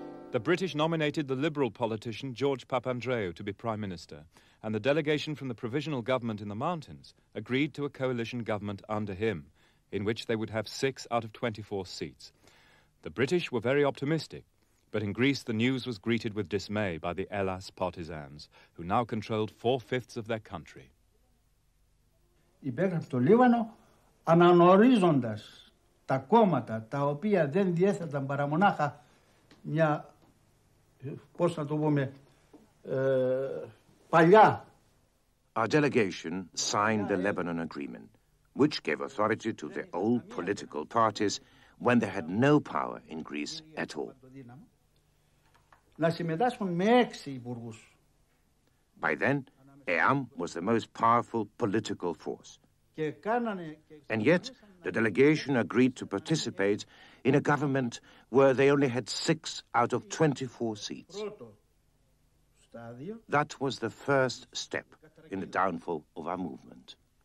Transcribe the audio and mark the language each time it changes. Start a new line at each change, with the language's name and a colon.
English: The British nominated the liberal politician George Papandreou to be prime minister, and the delegation from the provisional government in the mountains agreed to a coalition government under him, in which they would have 6 out of 24 seats. The British were very optimistic. But in Greece, the news was greeted with dismay by the Hellas partisans, who now controlled 4/5 of their country.
Greek: Υπέγραψε το Λίβανο αναγνωρίζοντας τα κόμματα τα οποία δεν διέθεταν παρά μονάχα μια, πώς να το πούμε, παλιά.
English: Our delegation signed the Lebanon Agreement, which gave authority to the old political parties when they had no power in Greece at all.
Greek: Να συμμετάσχουν με 6 υπουργούς.
English: By then, ΕΑΜ was the most powerful political force. And yet, the delegation agreed to participate in a government where they only had 6 out of 24 seats. That was the first step in the downfall of our movement.